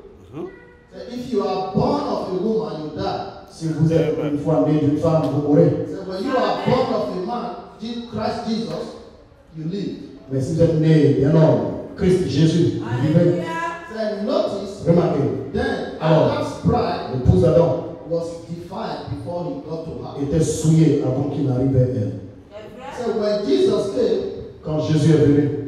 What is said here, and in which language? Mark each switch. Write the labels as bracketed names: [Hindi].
[English] So if you are born of a woman, you die. [French] Si vous êtes une fois né d'une femme, vous mourrez. [English] So when you are born of a man, Christ Jesus, you live. [French] Mais si vous êtes né d'un homme, Christ Jésus, vous vivez. [English] So notice. [French] Remarquez. [English] Then. [French] Alors. [English] Pride, [French] le pouce d'Adam. [English] Was defiled before he got to her. [French] Était souillé avant qu'il arrive à elle. [English] So when Jesus came, [French] quand Jésus est venu,